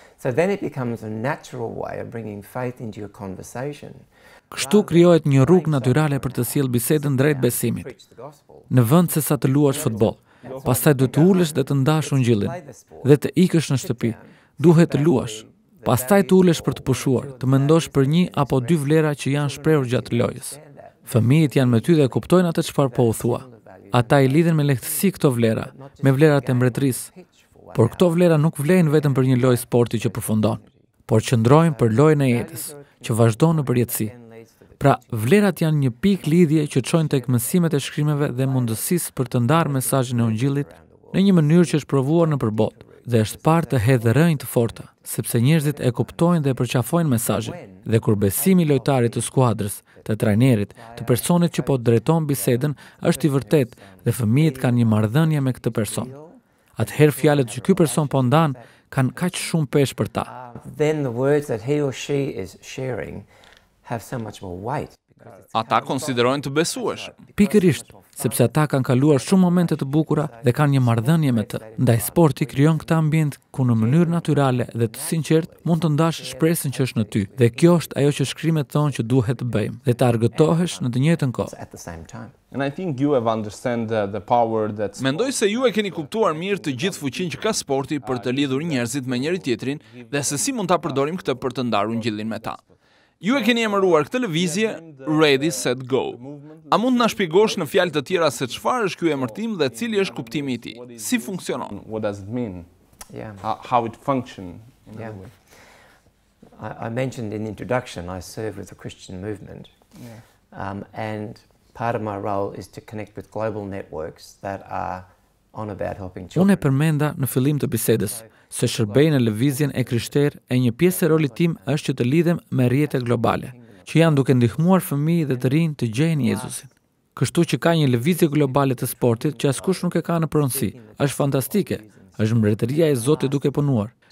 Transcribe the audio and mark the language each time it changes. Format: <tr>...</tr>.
<en>So then it becomes a natural way of bringing faith into your conversation.</en> <sq>Kështu krijohet një rrugë natyrale për të sjellë bisedën drejt besimit. Në vend se sa të luash futboll, pastaj duhet të ulesh dhe të ndash ungjillin dhe të ikësh në shtëpi. Duhet të luash, pastaj të ulesh për të pushuar, të mendosh për një apo dy vlera që janë shprehur gjatë lojës. Fëmijët janë me ty dhe kuptojnë atë çfarë po u thua. Ata i lidhen me lehtësi këto vlera, me vlerat e mbretërisë. Por këto vlera nuk vlejnë vetëm për një lojë sporti që përfundon, por qëndrojnë për lojën e jetës, që vazhdon në përjetësi. Pra, vlerat janë një pikë lidhje që çojnë tek mësimet e shkrimeve dhe mundësisë për të ndarë mesazhin e ungjillit në një mënyrë që është provuar nëpër botë dhe është parë të hedhë rënjë të forta, sepse njerëzit e kuptojnë dhe përqafojnë mesazhin. Dhe kur besimi i lojtarit të skuadrës, të trajnerit, të personit që po drejton bisedën është i vërtetë dhe fëmijët kanë një marrëdhënie me këtë person, atëherë fjalët që ky person po ndan kanë kaq shumë peshë për ta.</sq> <en>Then the words that he or she is sharing have so much more weight.</en> <sq>Ata konsiderojnë të besuesh. Pikërisht, sepse ata kanë kaluar shumë momente të bukura dhe kanë një marrëdhënie me të. Ndaj sporti krijon këtë ambient ku në mënyrë natyrale dhe të sinqertë mund të ndash shpresën që është në ty. Dhe kjo është ajo që shkrimet thonë që duhet të bëjmë dhe të argëtohesh në të njëjtën kohë.</sq> <en>And I think you have understood the power that</en> <sq>Mendoj se ju e keni kuptuar mirë të gjithë fuqinë që ka sporti për të lidhur njerëzit me njëri-tjetrin dhe se si mund ta përdorim këtë për të ndarë ungjillin me ta. Ju e keni emëruar këtë lëvizje Ready Set Go. A mund na shpjegosh në fjalë të tjera se çfarë është ky emërtim dhe cili është kuptimi i tij? Si funksionon?</sq> <en>What does it mean? Yeah. How it function? Yeah. I mentioned in the introduction I serve with a Christian movement. Yeah. And part of my role is to connect with global networks that are on about helping children.</en> <sq>Unë e përmenda në fillim të bisedës se shërbej në lëvizjen e krishterë e një pjesë e rolit tim është që të lidhem me rrjete globale, që janë duke ndihmuar fëmijë dhe të rinj të gjejnë Jezusin. Kështu që ka një lëvizje globale të sportit që askush nuk e ka në pronësi, është fantastike, është mbretëria e Zotit duke punuar.</sq>